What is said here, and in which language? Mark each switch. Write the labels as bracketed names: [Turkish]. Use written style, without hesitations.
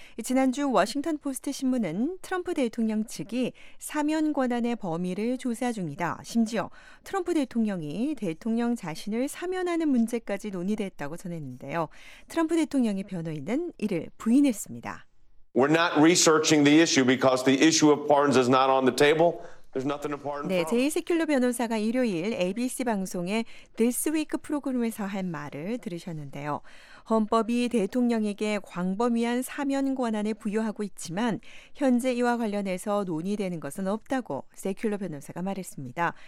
[Korean] 지난주 워싱턴포스트 신문은 트럼프 대통령 측이 사면 권한의 범위를 조사 중이다. 심지어 트럼프 대통령이 대통령 자신을 사면하는 문제까지 논의됐다고 전했는데요. 트럼프 대통령의 변호인은 이를 부인했습니다. [English] We're not researching the issue because the issue of pardons is not on the table. [Korean] 네, 제이 세큘러 변호사가 일요일 ABC 방송의 This Week 프로그램에서 한 말을 들으셨는데요. 헌법이 대통령에게 광범위한 사면 권한을 부여하고 있지만 현재 이와 관련해서 논의되는 것은 없다고 세큘러 변호사가 말했습니다.